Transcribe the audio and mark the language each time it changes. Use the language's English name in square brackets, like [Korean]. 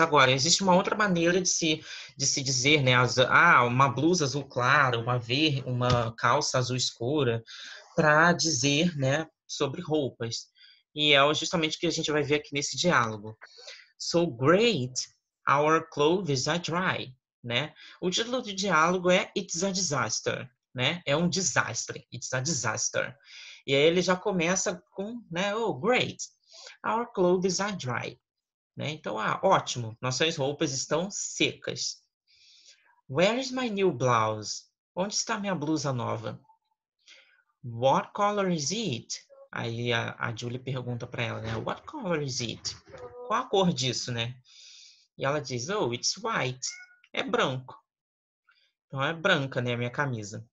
[Portuguese] Agora, existe uma outra maneira de se dizer, né, uma blusa azul claro, uma calça azul escura, para dizer, né, sobre roupas. E é justamente o que a gente vai ver aqui nesse diálogo. [English] So great. Our clothes are dry, [Portuguese] né? O título do diálogo é It's a Disaster, né? É um desastre, It's a Disaster. E aí ele já começa com, né? [English] Oh, great, our clothes are dry, né? [Portuguese] Então, ótimo, nossas roupas estão secas. [English] Where is my new blouse? [Portuguese] Onde está minha blusa nova? [English] What color is it? [Portuguese] Aí a Julie pergunta para ela, né? [English] What color is it? [Portuguese] Qual a cor disso, né? E ela diz, [English] oh, it's white. [Portuguese] É branco. Então, é branca, né? Minha camisa.